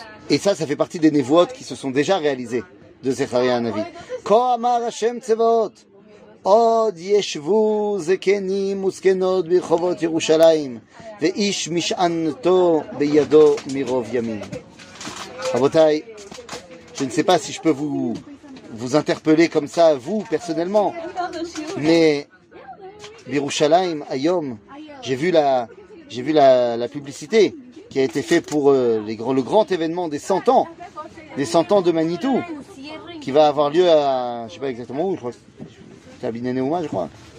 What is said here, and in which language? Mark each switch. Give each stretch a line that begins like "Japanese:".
French: Et ça, ça fait partie des névoot qui se sont déjà réalisées de Zecharia Hanavi.
Hebrew: Ko amar Hashem Tzevaot. עוד ישבו זקנים וזקנות ברחובות ירושלים ואיש משענתו בידו מרוב ימים.
French: רבותיי, je ne sais pas si je peux vous interpeller comme ça vous personnellement, mais
Hebrew: בירושלים היום
French: j'ai vu la publicité qui a été faite pour le grand événement des 100 ans de Manitou qui va avoir lieu à je sais pas exactement où, je crois Abinénéouma, je crois.